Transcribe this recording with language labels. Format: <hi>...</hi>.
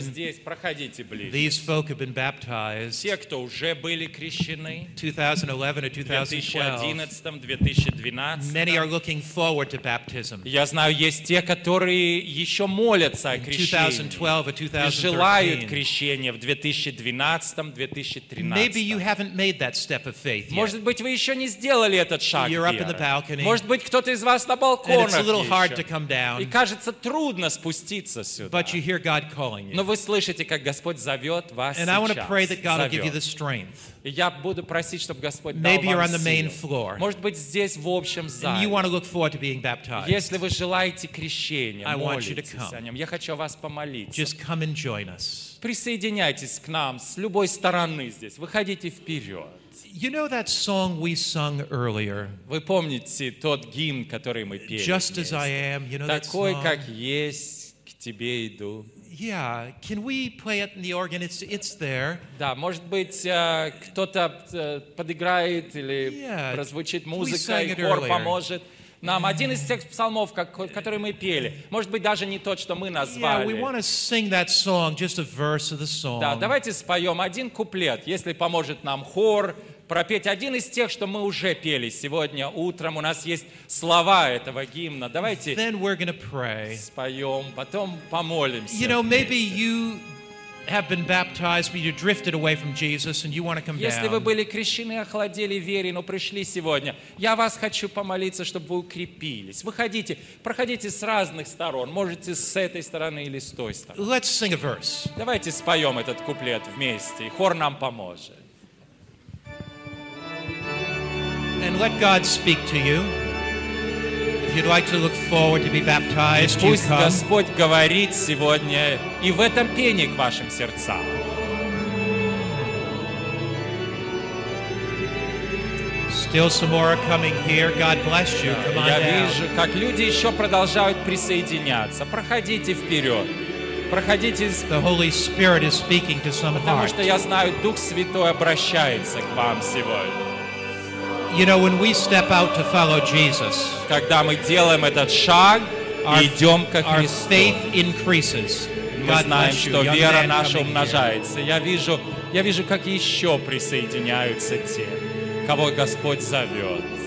<ru>Здесь, проходите ближе.</ru> <en>These folk have been baptized.</en> <ru>Те, кто уже были крещены.</ru> <en>2011 or 2012.</en> <ru>2011, 2012.</ru> <en>Many are looking forward to baptism.</en> <ru>Я знаю, есть те, которые еще молятся о крещении.</ru> <en>2012 or 2013.</en> <ru>И желают крещения в 2012, 2013.</ru> <en>Maybe you haven't made that step of faith yet.</en> <ru>Может быть, вы еще не сделали этот шаг</ru> <en>You're up in the balcony.</en> <ru>Может быть, кто-то из вас на балконах</ru> <en>And it's a little hard to come down.</en> <ru>Кажется, трудно спуститься сюда.</ru> <en>But you hear God calling you.</en> <ru>Но вы слышите, как Господь зовет вас</ru> <en>And</en> <ru>сейчас.</ru> <en>I want to pray that God will give you the strength.</en> <ru>И я буду просить, чтобы Господь</ru> <en>Maybe</en> <ru>дал вам</ru> <en>you're on</en> <ru>силу.</ru> <en>The main floor.</en> <ru>Может быть, здесь, в общем зале.</ru> <en>And you want to look forward to being baptized.</en> <ru>Если вы желаете крещения,</ru> <en>I</en> <ru>молитесь</ru> <en>want you to come.</en> <ru>О нем. Я хочу вас помолиться.</ru> <en>Just come and join us.</en> <ru>Присоединяйтесь к нам с любой стороны здесь. Выходите вперед.</ru> <en>You know that song we sung earlier?</en> <ru>Вы помните тот гимн, который мы пели?</ru> <en>Just as I am, you know that song?</en> <ru>Такой, как есть, к тебе иду.</ru> <en>Yeah, can we play it in the organ? It's there.</en> <ru>Да, может быть, кто-то подыграет или прозвучит музыка, и хор поможет. Нам один из тех псалмов, который мы пели, может быть, даже не тот, что мы назвали.</ru> <en>Yeah, we want to sing that song, just a verse of the song.</en> <ru>Да, давайте споем один куплет, если поможет нам хор, пропеть один из тех, что мы уже пели сегодня утром. У нас есть слова этого гимна. Давайте споем, потом помолимся.</ru> <en>You know, maybe you have been baptized, but you drifted away from Jesus, and you want to come down.</en> <ru>Если вы были крещены, охладели вере, но пришли сегодня, я вас хочу помолиться, чтобы вы укрепились. Выходите, проходите с разных сторон, можете с этой стороны или с той стороны.</ru> <en>Let's sing a verse.</en> <ru>Давайте споем этот куплет вместе, и хор нам поможет.</ru> <en>And let God speak to you. If you'd like to look forward to be baptized, you come.</en> <ru>Пусть Господь говорит сегодня и в этом пении к вашим сердцам.</ru> <en>Still some more are coming here. God bless you. Come on down.</en> <ru>Я вижу, как люди еще продолжают присоединяться. Проходите вперед. Проходите.</ru> <en>The Holy Spirit is speaking to some heart.</en> <ru>Потому что я знаю, Дух Святой обращается к вам сегодня.</ru> <en>You know, when we step out to follow Jesus,</en> <ru>когда мы делаем этот шаг и идем ко Христу,</ru> <en>our faith increases.</en> <ru>Мы знаем, что вера наша умножается. Я вижу, как еще присоединяются те, кого Господь зовет.</ru>